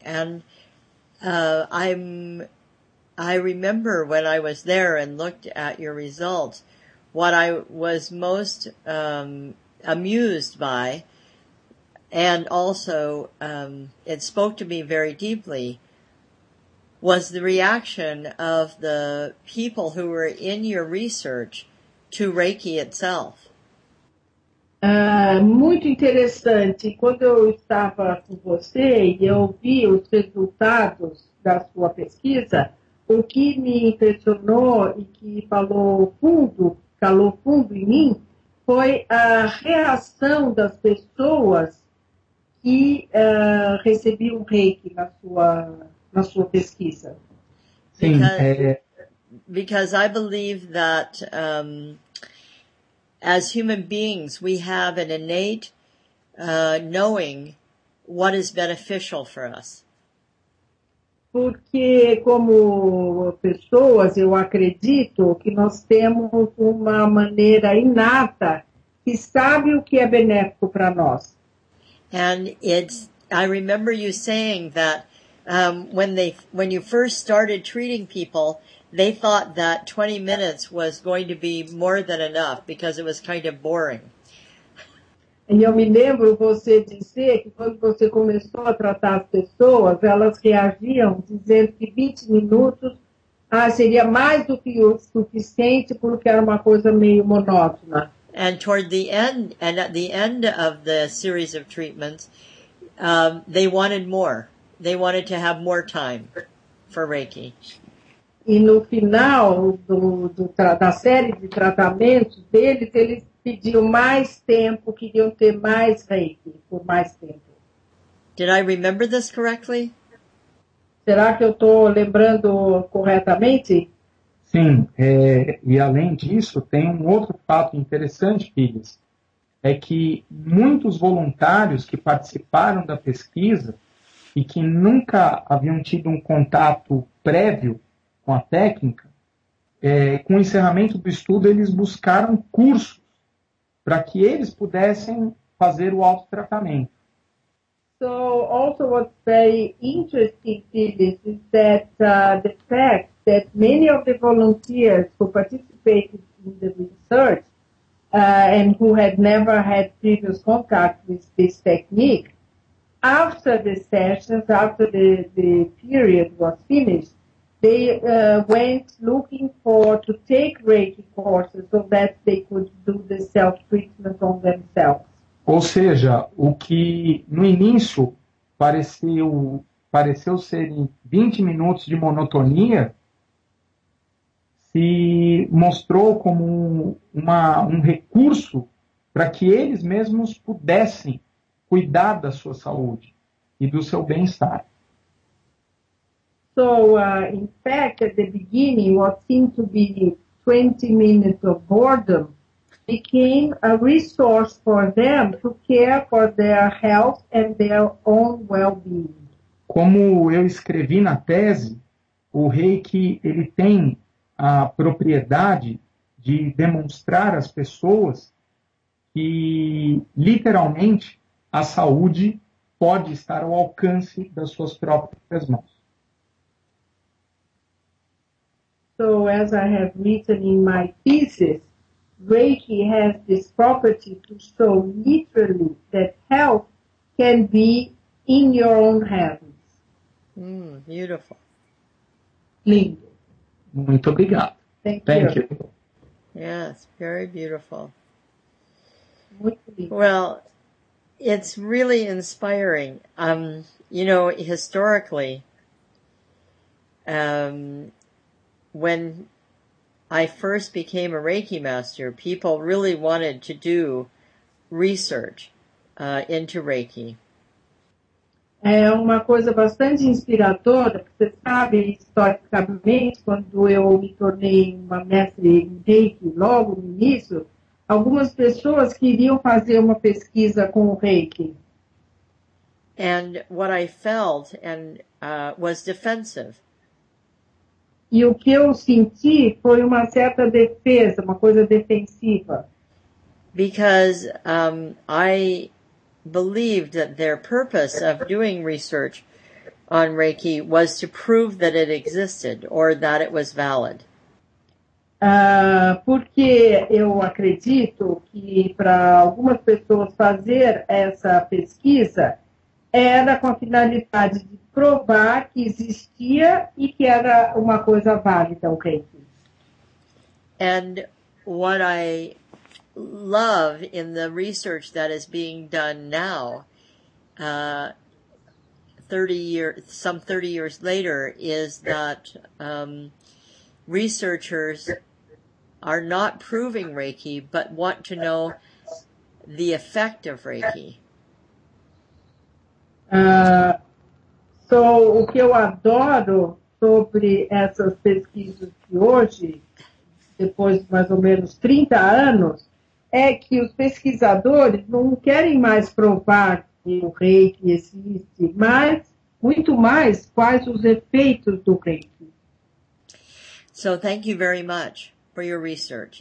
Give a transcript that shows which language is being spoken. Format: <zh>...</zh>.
<en>And I remember when I was there and looked at your results, what I was most amused by. And also, it spoke to me very deeply, was the reaction of the people who were in your research to Reiki itself.</en> <pt>Muito interessante. Quando eu estava com você e eu vi os resultados da sua pesquisa, o que me impressionou e que calou fundo em mim, foi a reação das pessoas e recebi um reiki na sua pesquisa. Sim,</pt> <en>because I believe that as human beings we have an innate knowing what is beneficial for us.</en> <pt>Porque como pessoas eu acredito que nós temos uma maneira inata que sabe o que é benéfico para nós.</pt> <en>And I remember you saying that when you first started treating people, they thought that 20 minutes was going to be more than enough because it was kind of boring.</en> <pt>E eu me lembro você dizer que quando você começou a tratar as pessoas, elas reagiam dizendo que 20 minutos seria mais do que o suficiente porque era uma coisa meio monótona.</pt> <en>And toward the end, and at the end of the series of treatments, they wanted more. They wanted to have more time for Reiki.</en> <pt>E no final da série de tratamentos deles, eles pediam mais tempo, queriam ter mais Reiki, por mais tempo.</pt> <en>Did I remember this correctly?</en> <pt>Será que eu tô lembrando corretamente? Sim, e além disso, tem um outro fato interessante, filhas, é que muitos voluntários que participaram da pesquisa e que nunca haviam tido um contato prévio com a técnica, com o encerramento do estudo, eles buscaram curso para que eles pudessem fazer o autotratamento.</pt> <en>So, also what's very interesting, Phyllis, is that the fact that many of the volunteers who participated in the research and who had never had previous contact with this technique, after the sessions, after the period was finished, they went looking for to take Reiki courses so that they could do the self-treatment on themselves.</en> <pt>Ou seja, o que no início pareceu ser 20 minutos de monotonia se mostrou como um recurso para que eles mesmos pudessem cuidar da sua saúde e do seu bem-estar.</pt> <en>So, in fact, at the beginning, what seemed to be 20 minutes of boredom became a resource for them to care for their health and their own well-being.</en> <pt>Como eu escrevi na tese, o Reiki, ele tem a propriedade de demonstrar às pessoas que, literalmente, a saúde pode estar ao alcance das suas próprias mãos.</pt> <en>So, as I have written in my thesis, Reiki has this property to show literally that health can be in your own hands. Beautiful.</en> <pt>Lindo. Muito obrigado.</pt> <en>Thank you. Yes, very beautiful.</en> <pt>Muito lindo.</pt> <en>Well, it's really inspiring. You know, historically, when I first became a Reiki master, people really wanted to do research into Reiki.</en> <pt>É uma coisa bastante inspiradora. Você sabe, historicamente, quando eu me tornei uma mestre em Reiki, logo no início, algumas pessoas queriam fazer uma pesquisa com o Reiki.</pt> <en>And what I felt and was defensive.</en> <pt>E o que eu senti foi uma certa defesa, uma coisa defensiva.</pt> <en>Because I believed that their purpose of doing research on Reiki was to prove that it existed or that it was valid.</en> <pt>Porque eu acredito que para algumas pessoas fazer essa pesquisa era com a finalidade de provar que existia e que era uma coisa válida, o Reiki.</pt> <en>And what I love in the research that is being done now, 30 years later, is that researchers are not proving Reiki, but want to know the effect of Reiki.</en> <pt>So, o que eu adoro sobre essas pesquisas de hoje, depois de mais ou menos 30 anos, é que os pesquisadores não querem mais provar que o Reiki existe, mas, muito mais, quais os efeitos do Reiki.</pt> <en>So, thank you very much for your research.</en>